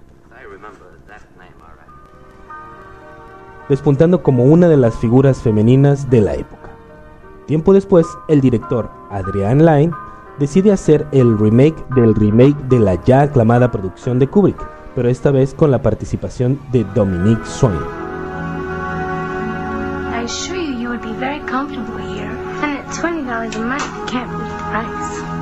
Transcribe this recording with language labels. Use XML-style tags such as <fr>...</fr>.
<en>Yeah. I remember that name, all right.</en> <es>Despuntando como una de las figuras femeninas de la época. Tiempo después, el director Adrian Lyne decide hacer el remake del remake de la ya aclamada producción de Kubrick, pero esta vez con la participación de Dominique Swain.</es> <en>I assure you, you would be very comfortable here, and at $20 a month, you can't beat the price.</en>